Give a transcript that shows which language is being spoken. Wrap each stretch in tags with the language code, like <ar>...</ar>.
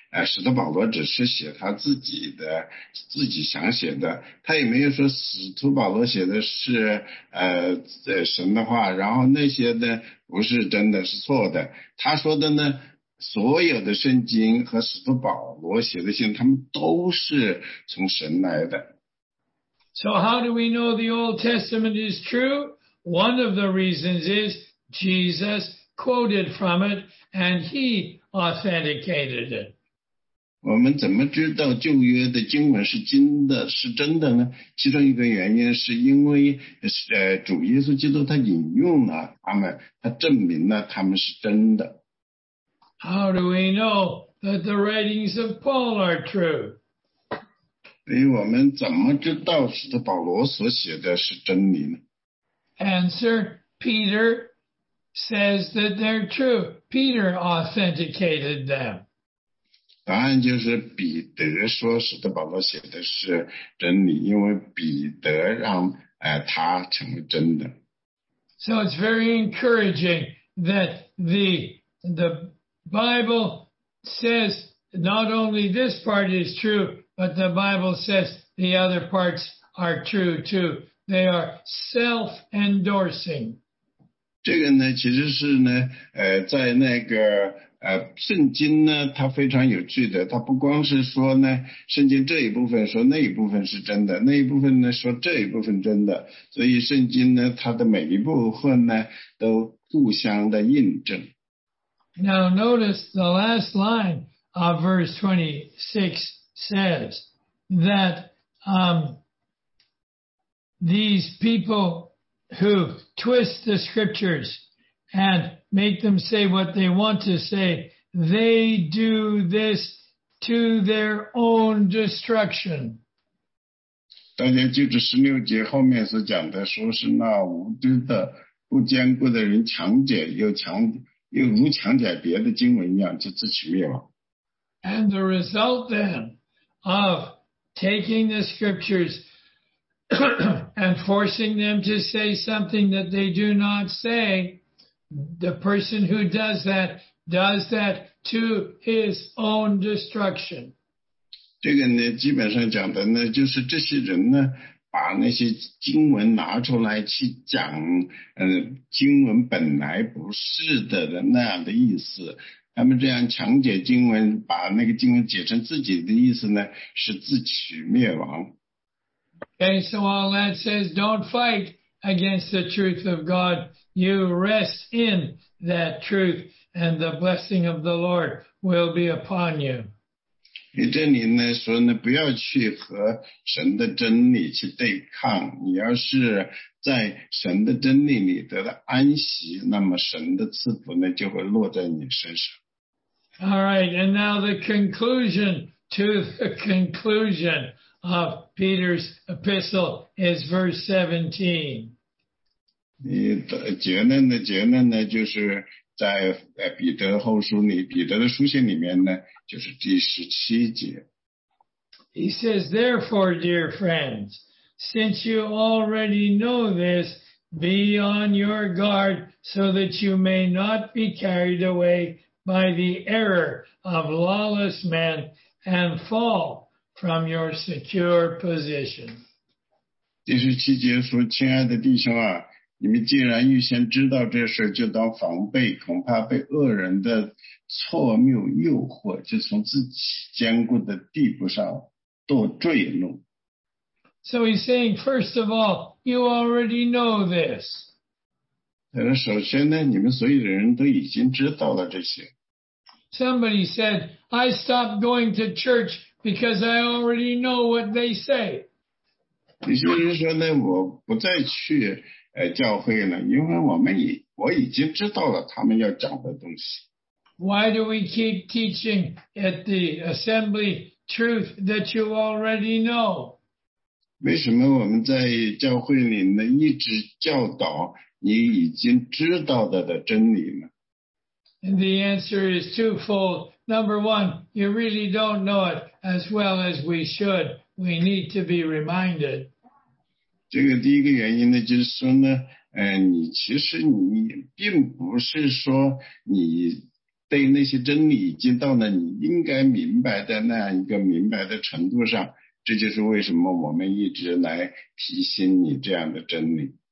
<zh>使徒保罗只是写他自己想写的，他也没有说使徒保罗写的是神的话，然后那些呢不是真的是错的。他说的呢，所有的圣经和使徒保罗写的信，他们都是从神来的。</zh> <en>So how do we know the Old Testament is true? One of the reasons is Jesus quoted from it, and he authenticated it.</en> <zh>我们怎么知道旧约的经文是真的，是真的呢？其中一个原因是因为主耶稣基督他引用了他们，他证明了他们是真的。</zh> <en>How do we know that the writings of Paul are true?</en> <zh>所以我们怎么知道使徒保罗所写的是真理呢？</zh> <en>Answer, Peter says that they're true. Peter authenticated them.</en> <zh>答案就是彼得说使徒保罗写的是真理，因为彼得让他成为真的。</zh> <en>So it's very encouraging that the Bible says not only this part is true, but the Bible says the other parts are true too. They are self-endorsing.</en> <zh>这个呢其实是呢在那个圣经呢它非常有趣的，它不光是说呢圣经这一部分说那一部分是真的，那一部分呢说这一部分真的，所以圣经呢它的每一部分呢都互相的印证。</zh> <en>Now notice the last line of verse 26 says that these people who twist the scriptures and make them say what they want to say, they do this to their own destruction.</en> <zh>大家记住16节后面所讲的，说是那无知的不坚固的人强解又如强解别的经文一样，就自取灭亡。</zh> <en>And the result then of taking the scriptures and forcing them to say something that they do not say, the person who does that to his own destruction.</en> <zh>这个呢，基本上讲的呢，就是这些人呢，把那些经文拿出来去讲，经文本来不是的那样的意思。他们这样强解经文，把那个经文解成自己的意思呢，是自取灭亡。</zh> <en>Okay, so all that says, don't fight against the truth of God. You rest in that truth, and the blessing of the Lord will be upon you.</en> <zh>这里呢说呢，不要去和神的真理去对抗，你要是在神的真理里得了安息，那么神的赐福呢就会落在你身上。</zh> <en>All right, and now the conclusion to the conclusion of Peter's epistle is verse 17.</en> <zh>结论呢就是在彼得后书里，彼得的书信里面呢，就是第十七节。</zh> <en>He says, therefore, dear friends, since you already know this, be on your guard so that you may not be carried away by the error of lawless men and fall from your secure position.</en> <zh>第十七节说，亲爱的弟兄啊，你们既然预先知道这事，就当防备，恐怕被恶人的错谬诱惑，就从自己坚固的地步上堕坠落。</zh> <en>So he's saying, first of all, you already know this.</en> <zh>他说，首先呢，你们所有的人都已经知道了这些。</zh> <en>Somebody said, I stopped going to church because I already know what they say.</en> <zh>有些人说呢，我不再去教会呢，因为我已经知道了他们要讲的东西。</zh> <en>Why do we keep teaching at the assembly truth that you already know?</en> <zh>为什么我们在教会里呢，一直教导你已经知道的真理呢？</zh> <en>And the answer is twofold. Number one, you really don't know it as well as we should. We need to be reminded.</en> <zh>这个第一个原因呢，就是说呢，你其实你并不是说你对那些真理已经到了你应该明白的那样一个明白的程度上，这就是为什么我们一直来提醒你这样的真理。</zh>